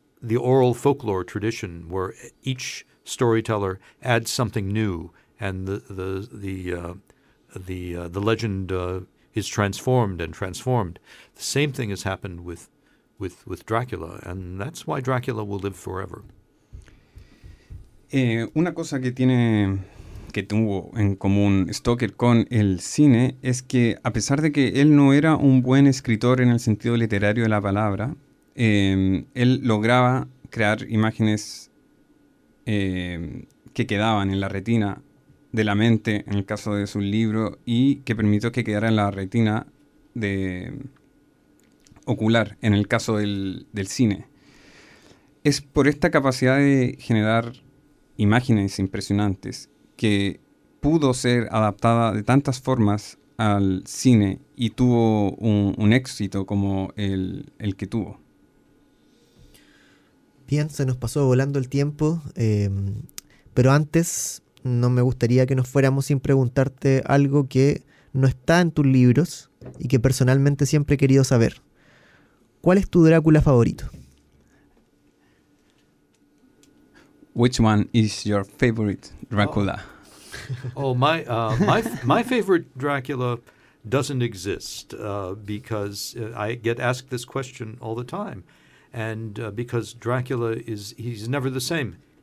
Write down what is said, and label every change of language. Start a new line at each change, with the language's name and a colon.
English: the oral folklore tradition, where each storyteller adds something new, and the legend is transformed and transformed. The same thing has happened with Dracula, and that's why Dracula will live forever.
Spanish: Una cosa que tuvo en común Stoker con el cine es que, a pesar de que él no era un buen escritor en el sentido literario de la palabra, él lograba crear imágenes que quedaban en la retina de la mente, en el caso de su libro, y que permitió que quedara en la retina de ocular, en el caso del cine. Es por esta capacidad de generar imágenes impresionantes que pudo ser adaptada de tantas formas al cine y tuvo un éxito como el que tuvo. Bien, se nos pasó volando el tiempo, pero antes no me gustaría que nos fuéramos sin preguntarte algo que no está en tus libros y que personalmente siempre he querido saber. ¿Cuál es tu Drácula favorito?
English: Which one is your favorite Dracula? My favorite Dracula doesn't exist because I get asked this question all the time, and because Dracula he's never the same.